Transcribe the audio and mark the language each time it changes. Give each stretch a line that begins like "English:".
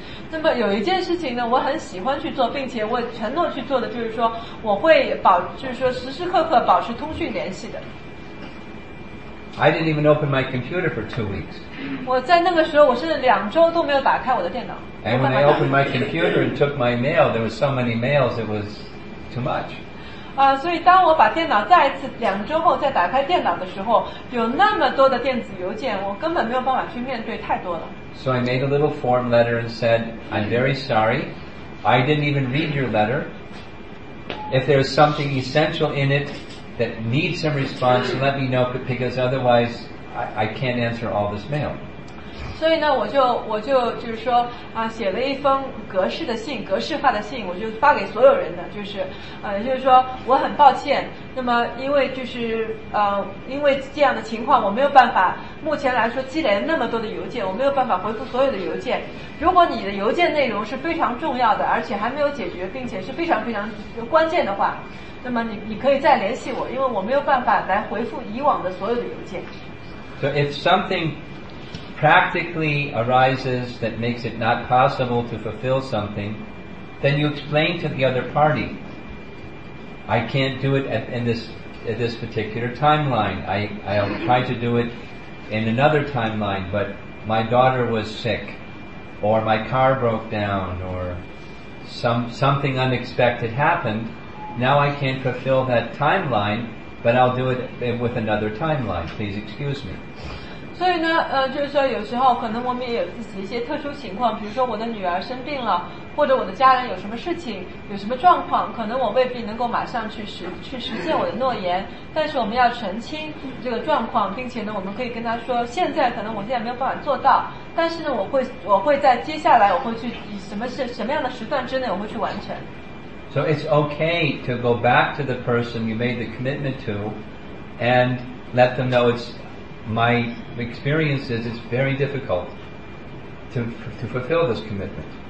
Chinese: 那么有一件事情呢，我很喜欢去做，并且我承诺去做的，就是说我会保，就是说时时刻刻保持通讯联系的。
English: I didn't even open my computer for 2 weeks.
Chinese: 我在那个时候，我是两周都没有打开我的电脑。
English: And when I opened my computer and took my mail, there were so many mails it was too much.
Chinese: 啊，所以当我把电脑再一次两周后再打开电脑的时候，有那么多的电子邮件，我根本没有办法去面对太多了。
English: So I made a little form letter and said, "I'm very sorry. I didn't even read your letter. If there's something essential in it." That needs some response. Let me know because otherwise I can't answer all this mail.
Chinese: 所以呢，我就是说啊，写了一封格式的信，格式化的信，我就发给所有人的，就是就是说我很抱歉。那么因为就是因为这样的情况，我没有办法目前来说积累那么多的邮件，我没有办法回复所有的邮件。如果你的邮件内容是非常重要的，而且还没有解决，并且是非常非常关键的话。那么你可以再联系我，因为我没有办法来回复以往的所有的邮件。
English: So if something practically arises that makes it not possible to fulfill something, then you explain to the other party, I can't do it at this particular timeline. I'll try to do it in another timeline, but my daughter was sick, or my car broke down, or something unexpected happened. Now I can't fulfill that timeline, but I'll do it with another timeline. Please excuse me.
Chinese: 所以呢，就是说有时候可能我们也有自己一些特殊情况，比如说我的女儿生病了，或者我的家人有什么事情，有什么状况，可能我未必能够马上去实现我的诺言。但是我们要澄清这个状况，并且呢，我们可以跟他说，现在可能我现在没有办法做到，但是呢，我会在接下来我会去以什么样的时段之内我会去完成。
English: So it's okay to go back to the person you made the commitment to and let them know it's my experience is it's very difficult to fulfill this commitment.